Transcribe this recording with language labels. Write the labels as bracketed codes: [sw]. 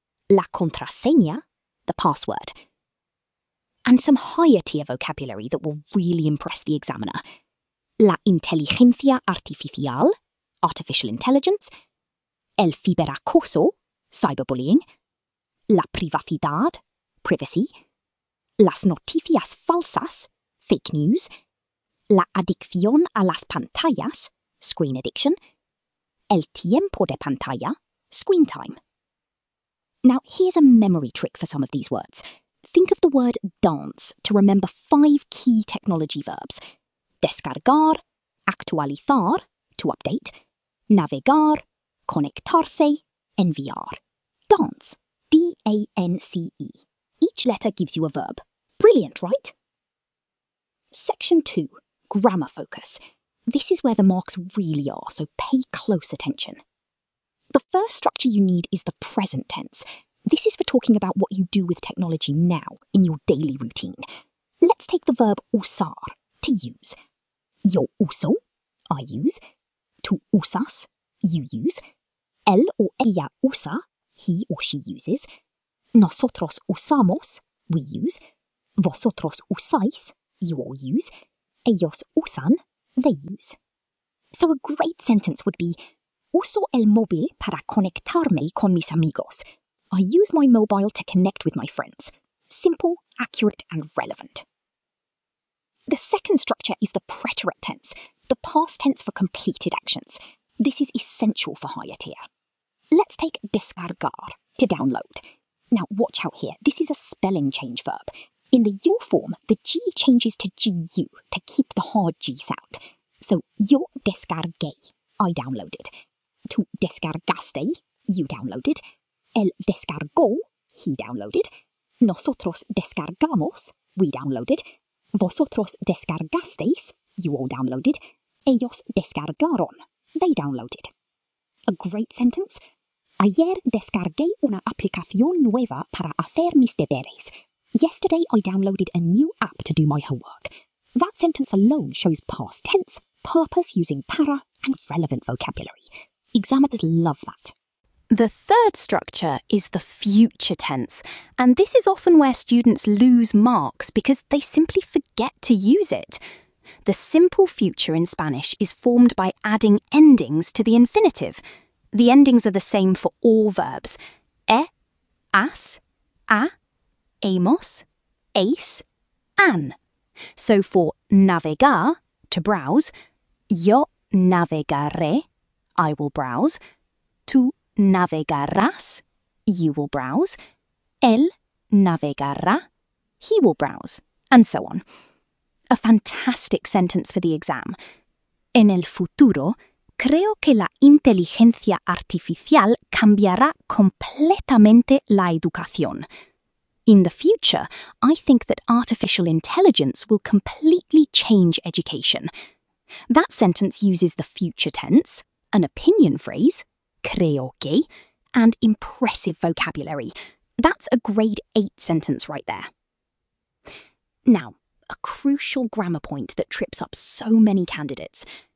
[es] La contraseña, [en] the password. And some higher tier vocabulary that will really impress the examiner. [es] La inteligencia artificial, [en] artificial intelligence. [es] El ciberacoso, cyberbullying. La privacidad, privacy. Las noticias falsas, [en] fake news. [es] La adicción a las pantallas, [en] screen addiction. [es] El tiempo de pantalla, [en] screen time. Now, here's a memory trick for some of these words. Think of the word dance to remember five key technology verbs. [es] Descargar, actualizar, [en] to update. [es] Navegar, conectarse, enviar. [en] Dance, D-A-N-C-E. Each letter gives you a verb. Brilliant, right? Section 2. Grammar focus. This is where the marks really are, so pay close attention. The first structure you need is the present tense. This is for talking about what you do with technology now, in your daily routine. Let's take the verb usar, to use. [es] Yo uso, [en] I use. [es] Tú usas, [en] you use. [es] Él o ella usa, [en] he or she uses. [es] Nosotros usamos, [en] we use. [es] Vosotros usáis, [en] you all use. [es] Ellos usan, [en] they use. So a great sentence would be, [es] uso el móvil para conectarme con mis amigos. [en] I use my mobile to connect with my friends. Simple, accurate, and relevant. The second structure is the preterite tense, the past tense for completed actions. This is essential for higher tier. Let's take descargar, to download. Now watch out here, this is a spelling change verb. In the yo form, the G changes to GU to keep the hard G sound. So, [es] yo descargué, [en] I downloaded. [es] Tú descargaste, [en] you downloaded. [es] Él descargó, [en] he downloaded. [es] Nosotros descargamos, [en] we downloaded. [es] Vosotros descargasteis, [en] you all downloaded. [es] Ellos descargaron, [en] they downloaded. A great sentence. [es] Ayer descargué una aplicación nueva para hacer mis deberes. [en] Yesterday, I downloaded a new app to do my homework. That sentence alone shows past tense, purpose using para, and relevant vocabulary. Examiners love that. The third structure is the future tense, and this is often where students lose marks because they simply forget to use it. The simple future in Spanish is formed by adding endings to the infinitive. The endings are the same for all verbs. [es] E, as, a, amos, ace, an. [en] So for navegar, to browse, [es] yo navegaré, [en] I will browse. [es] Tú navegarás, [en] you will browse. [es] Él navegará, [en] he will browse. And so on. A fantastic sentence for the exam. [es] En el futuro, creo que la inteligencia artificial cambiará completamente la educación. [en] In the future, I think that artificial intelligence will completely change education. That sentence uses the future tense, an opinion phrase, [es] creo que, [en] and impressive vocabulary. That's a grade 8 sentence right there. Now, a crucial grammar point that trips up so many candidates.